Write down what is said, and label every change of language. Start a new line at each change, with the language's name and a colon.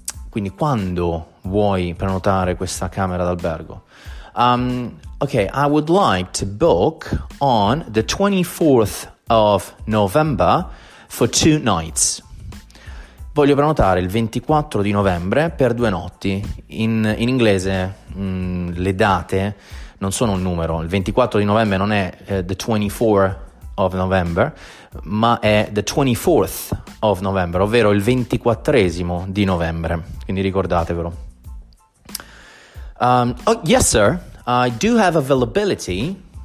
Italian: Quindi quando vuoi prenotare questa camera d'albergo?
English: Okay, I would like to book on the 24th of November for 2 nights.
Italian: Voglio prenotare il 24 di novembre per 2 notti. In inglese le date non sono un numero. Il 24 di novembre non è
English: the 24 of November,
Italian: ma è
English: the 24th of November,
Italian: ovvero il 24esimo di novembre. Quindi ricordatevelo.
English: Oh, yes, sir, I do have availability.